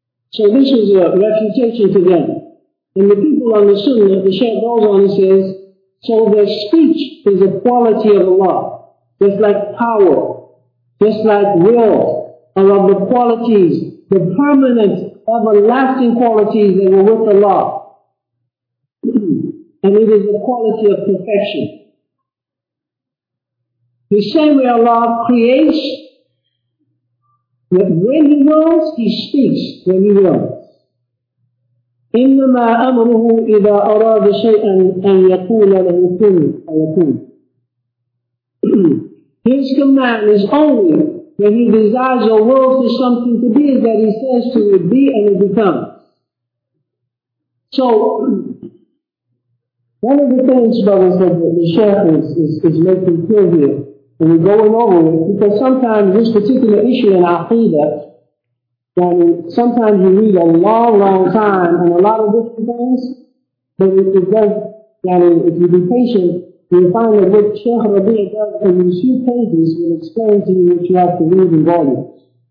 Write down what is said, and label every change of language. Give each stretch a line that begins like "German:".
English: So this is a refutation to them. And the people on the sunnah, the Shaykh goes on and says, so their speech is a quality of Allah, just like power, just like will, are of the qualities, the permanent, everlasting qualities that were with Allah. And it is a quality of perfection. The same way Allah creates, that when He wills, He speaks when He wills.
Arabic: إِنَّمَا أَمْرُهُ إِذَا أَرَادَ شَيْئًا أَن يَقُولَ لَهُ كُنْ فَيَكُونُ.
English: His command is only when he desires or wills for something to be that he says to it be and it becomes. So, one of the things, brothers, that the Sheikh is making clear here, and we're going over it, because sometimes this particular issue in Aqidah, when sometimes you read a long, long time and a lot of different things, but it does, if you be patient, you'll find that what Sheikh Rabi'a does in these few pages will explain to you what you have to read in volumes.